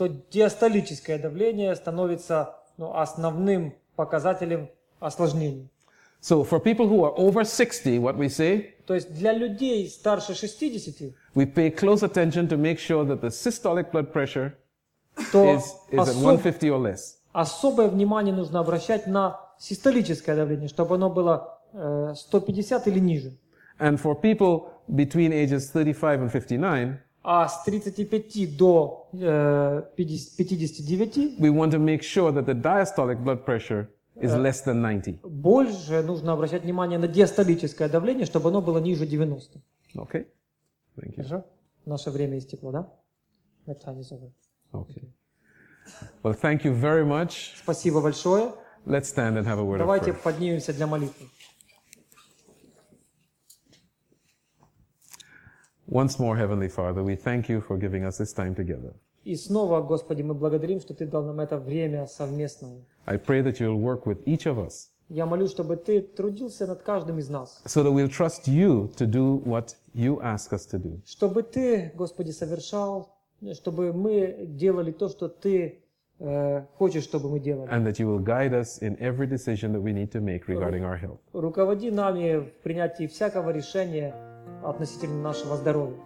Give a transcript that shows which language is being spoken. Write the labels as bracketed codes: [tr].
[ru] То диастолическое давление становится, ну, основным показателем осложнений. [en] So for people who are over 60, what we say? [ru] То есть для людей старше 60, [en] we pay close attention to make sure that the systolic blood pressure is at 150 or less. [ru] Особое внимание нужно обращать на систолическое давление, чтобы оно было 150 или ниже. [en] And for people between ages 35 and 59, [ru] а с 35 до 59, [en] we want to make sure that the diastolic blood pressure is less than 90. [ru] Больше нужно обращать внимание на диастолическое давление, чтобы оно было ниже 90. [en] Okay. Thank you. [ru] Хорошо? Наше время истекло, да? [en] My time is over. Okay. Well, thank you very much. [ru] Спасибо большое. [en] Let's stand and have a word [ru] Давайте [en] of prayer. [ru] Давайте поднимемся для молитвы. [en] Once more, Heavenly Father, we thank you for giving us this time together. [ru] И снова, Господи, мы благодарим, что Ты дал нам это время совместное. [en] I pray that you'll work with each of us. [ru] Я молю, чтобы Ты трудился над каждым из нас. [en] So that we'll trust you to do what you ask us to do. [ru] Чтобы Ты, Господи, совершал, чтобы мы делали то, что Ты хочешь, чтобы мы делали. [en] And that you will guide us in every decision that we need to make regarding our health. [ru] Руководи нами в принятии всякого решения относительно нашего здоровья.